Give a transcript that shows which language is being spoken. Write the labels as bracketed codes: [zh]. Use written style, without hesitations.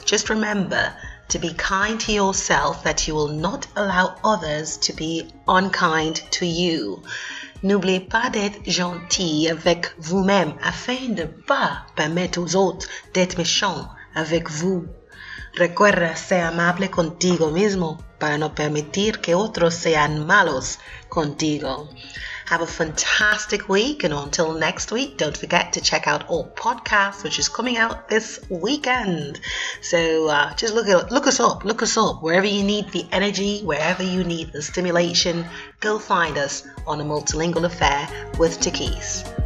[en] Just remember to be kind to yourself, that you will not allow others to be unkind to you. [fr] N'oubliez pas d'être gentil avec vous-même afin de pas permettre aux autres d'être méchants avec vous. [es] Recuerda ser amable contigo mismo para no permitir que otros sean malos contigo. [en] Have a fantastic week, and until next week, don't forget to check out our podcast, which is coming out this weekend. So just look us up wherever you need the energy, wherever you need the stimulation. Go find us on A Multilingual Affair with Tikis.